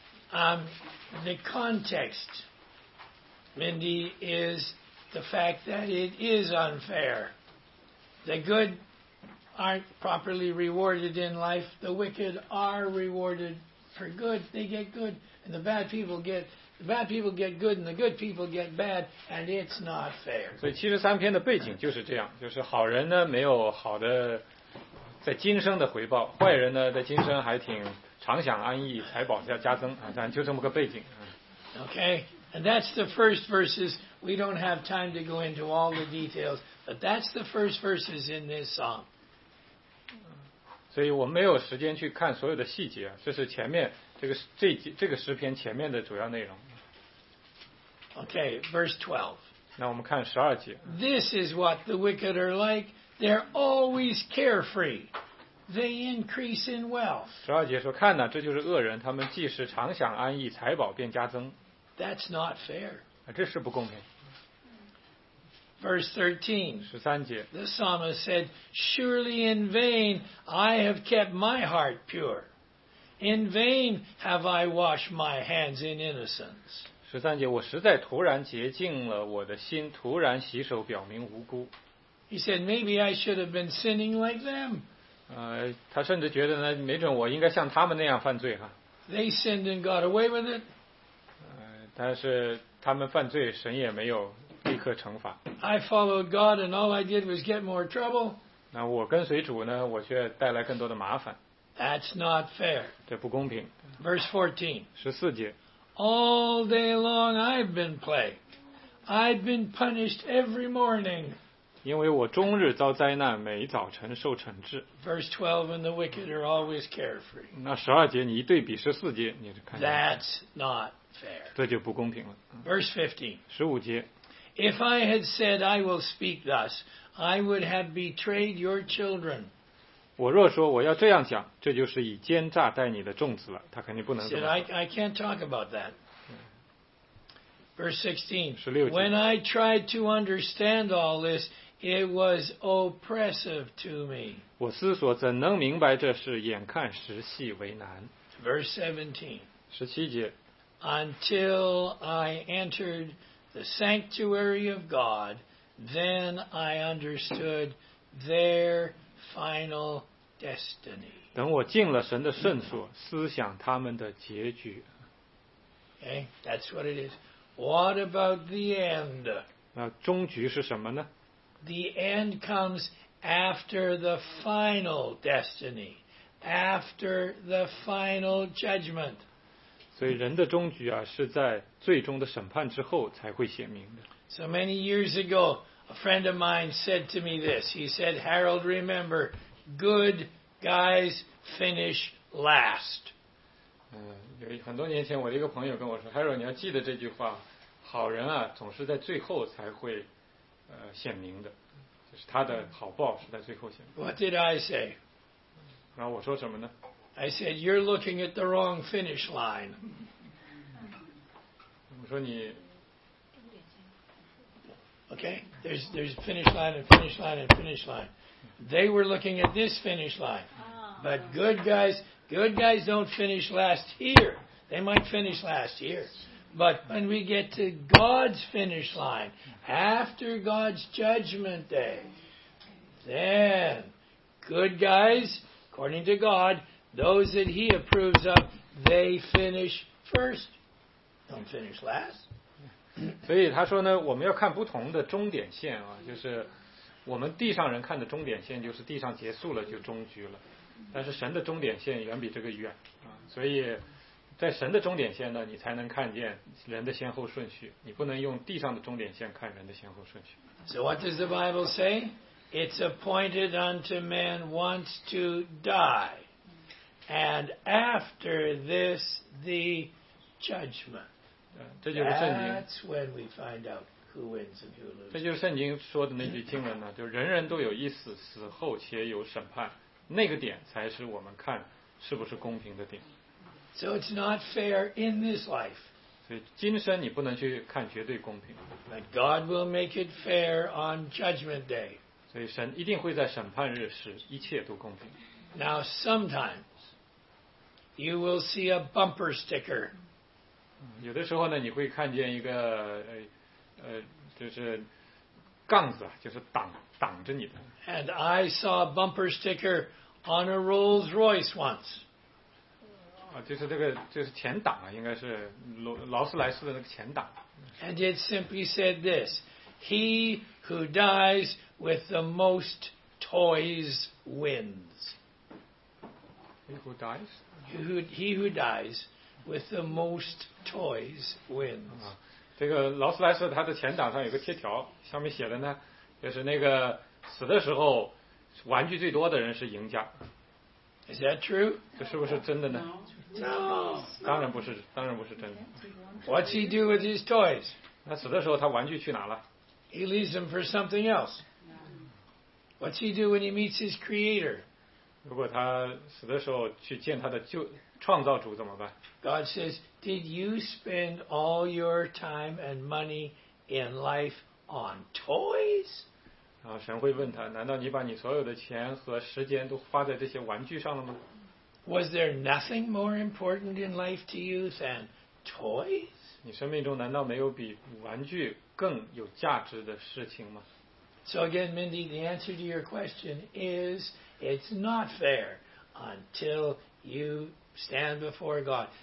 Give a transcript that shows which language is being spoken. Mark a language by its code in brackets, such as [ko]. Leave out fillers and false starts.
[en] The context, Mindy, is the fact that it is unfair. The good aren't properly rewarded in life, the wicked are rewarded for good, they get good, and the bad people get good, and the good people get bad, and it's not fair. [zh] 所以七十三篇的背景就是这样，就是好人呢没有好的在今生的回报，坏人呢在今生还挺常享安逸，财宝加增啊，但就这么个背景。 [en] Okay, and that's the first verses. We don't have time to go into all the details, but that's the first verses in this song. [zh] 所以我没有时间去看所有的细节，这是前面这个诗篇前面的主要内容。 [en] Okay, verse 12. [zh] 那我们看十二节。 [en] This is what the wicked are like. They're always carefree. They increase in wealth. [zh] 十二节说，看呢，这就是恶人，他们既是常享安逸，财宝便加增。 [en] That's not fair. [zh] 这是不公平。 [en] Verse 13. [zh] 十三节。 [en] The psalmist said, "Surely in vain I have kept my heart pure." In vain have I washed my hands in innocence. [zh] 十三节，我实在突然洁净了我的心，突然洗手表明无辜。 [en] He said, maybe I should have been sinning like them. [zh] 他甚至觉得呢，没准我应该像他们那样犯罪哈。 [en] They sinned and got away with it. [zh] 但是他们犯罪，神也没有立刻惩罚。 [en] I followed God and all I did was get more trouble. [zh] 那我跟随主呢，我却带来更多的麻烦。 [en] That's not fair. [zh] 这不公平。 [en] Verse 14. [zh] 十四节。 [en] All day long I've been plagued. I've been punished every morning. [zh] 因为我终日遭灾难，每早晨受惩治。 [en] Verse 12. And the wicked are always carefree. [zh] 那十二节你一对比十四节，你就看。 [en] That's not fair. [zh] 这就不公平了。 [en] Verse 15. [zh] 十五节。 [en] If I had said I will speak thus, I would have betrayed your children. [zh] 我若说我要这样讲，这就是以奸诈待你的众子了，他肯定不能这么说。 [en] I can't talk about that. Verse 16. [zh] 十六节。 [en] When I tried to understand all this, it was oppressive to me. [zh] 我思索怎能明白这事，眼看时系为难。 [en] Verse 17. [zh] 十七节。 [en] Until I entered the sanctuary of God, then I understood there. Final destiny. [zh] 等我进了神的圣所，思想他们的结局。 [en] Okay, that's what it is. What about the end? [zh] 那终局是什么呢？ [en] The end comes after the final destiny, after the final judgment. [zh] 所以人的终局啊，是在最终的审判之后才会显明的。 [en] So many years ago. A friend of mine said to me this. He said, Harold, remember, good guys finish last. [zh] 很多年前我的一个朋友跟我说， Harold, 你要记得这句话，好人啊，总是在最后才会显明的，就是他的好报是在最后显明。 [en] What did I say? [zh] 然后我说什么呢？ [en] I said, you're looking at the wrong finish line. [zh] 我说你 [en] Okay, there's finish line and finish line and finish line. They were looking at this finish line. But good guys don't finish last here. They might finish last here. But when we get to God's finish line, after God's judgment day, then good guys, according to God, those that He approves of, they finish first. Don't finish last. [zh] 所以他说呢，我们要看不同的终点线啊，就是我们地上人看的终点线，就是地上结束了就终局了，但是神的终点线远比这个远啊，所以在神的终点线呢，你才能看见人的先后顺序，你不能用地上的终点线看人的先后顺序。 [en] So what does the Bible say? It's appointed unto man once to die, and after this the judgment. [zh] 这就是圣经。 [en] That's when we find out who wins and who loses. [zh] 这就是圣经说的那句经文呢，就人人都有一死，死后且有审判，那个点才是我们看是不是公平的点。 [en] So it's not fair in this life. [zh] 所以今生你不能去看绝对公平。 [en] But God will make it fair on judgment day. [zh] 所以神一定会在审判日使一切都公平。 [en] Now sometimes you will see a bumper sticker. [zh] 有的时候呢，你会看见一个就是杠子，就是挡着你的。 [en] And I saw a bumper sticker on a Rolls Royce once. [zh] 就是这个，就是前挡啊，应该是劳斯莱斯的那个前挡。 [en] And it simply said this: He who dies with the most toys wins. He who dies with the most toys wins. [zh] 这个劳斯莱斯它的前挡上有个贴条，上面写的呢，就是那个死的时候玩具最多的人是赢家。 [en] Is that true? [zh] 这是不是真的呢？ [en] No. [zh] 当然不是，当然不是真的。 [en] What's he do with his toys? [zh] 他死的时候他玩具去哪了？ [en] He leaves them for something else. What's he do when he meets his creator? [zh] 如果他死的时候去见他的创造主怎么办？ [en] God says, did you spend all your time and money in life on toys? [zh] 然后神会问他，难道你把你所有的钱和时间都花在这些玩具上了吗？ [en] Was there nothing more important in life to you than toys? [zh] 你生命中难道没有比玩具更有价值的事情吗？ [en] So again, Mindy, the answer to your question is it's not fair until you stand before God.